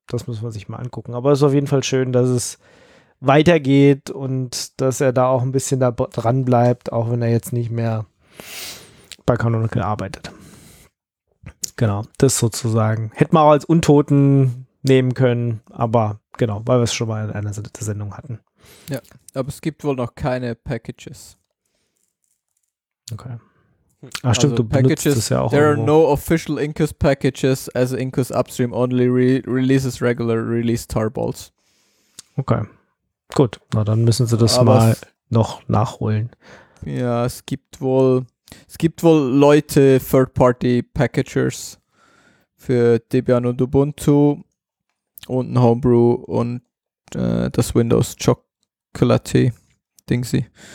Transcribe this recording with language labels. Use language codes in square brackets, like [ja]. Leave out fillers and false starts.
[de] Das müssen wir sich mal angucken. Aber es ist auf jeden Fall schön, dass es weitergeht und dass er da auch ein bisschen da dran bleibt, auch wenn er jetzt nicht mehr bei Canonical arbeitet. Genau, das sozusagen. Hätten wir auch als Untoten nehmen können, aber genau, weil wir es schon mal in einer Sendung hatten. Ja, aber es gibt wohl noch keine Packages. Okay. Ach stimmt, also du packages, benutzt es ja auch. [en] There are no official Incus packages, as Incus Upstream only releases regular release tarballs. [de] Okay, gut. Na, dann müssen sie das mal noch nachholen. Ja, es gibt wohl Leute, Third-Party-Packagers für Debian und Ubuntu und ein Homebrew und das Windows Chocolaty-Dingsy.